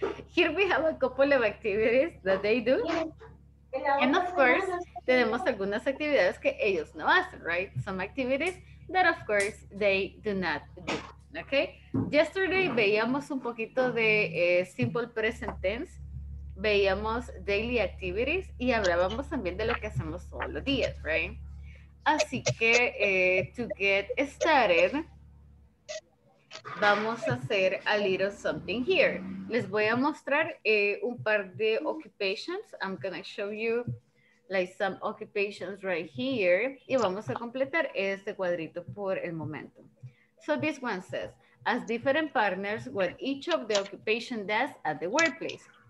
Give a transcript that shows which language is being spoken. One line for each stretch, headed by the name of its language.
English: Here we have a couple of activities that they do. And of course,
Spanish: tenemos algunas actividades que ellos no hacen,
English: right? Some activities that of course they do not do, okay?
Spanish: Yesterday veíamos un poquito de simple present tense, veíamos daily activities y hablábamos también de lo que hacemos todos los días, right? Así que
English: to get started,
Spanish: vamos a hacer
English: a little something here.
Spanish: Les voy a mostrar un par de occupations.
English: I'm gonna show you like some occupations right here.
Spanish: Y vamos a completar este cuadrito por el momento.
English: So this one says, as different partners, what each of the occupation does at the workplace.